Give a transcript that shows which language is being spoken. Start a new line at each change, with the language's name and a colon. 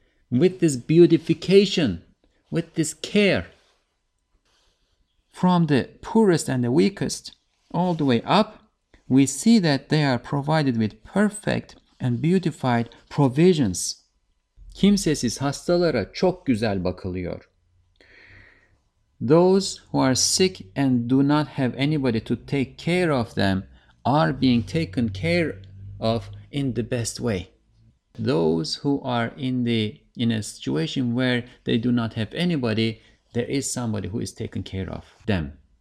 English: With this beautification, with this care, from the poorest and the weakest all the way up, we see that they are provided with perfect and beautified provisions.
Turkish: Kimsesiz hastalara çok güzel bakılıyor.
English: Those who are sick and do not have anybody to take care of them are being taken care of in the best way. Those who are in a situation where they do not have anybody, there is somebody who is taking care of them.